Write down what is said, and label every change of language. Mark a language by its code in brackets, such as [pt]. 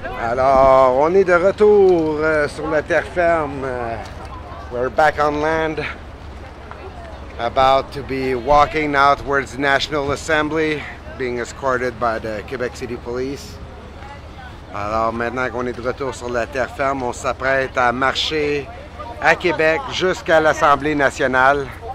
[fr] Alors, on est de retour sur la terre ferme. [en] We're back on land. About to be walking out towards the National Assembly, being escorted by the Quebec City Police. [fr] Alors, maintenant qu'on est de retour sur la terre ferme, on s'apprête à marcher à Québec jusqu'à l'Assemblée nationale.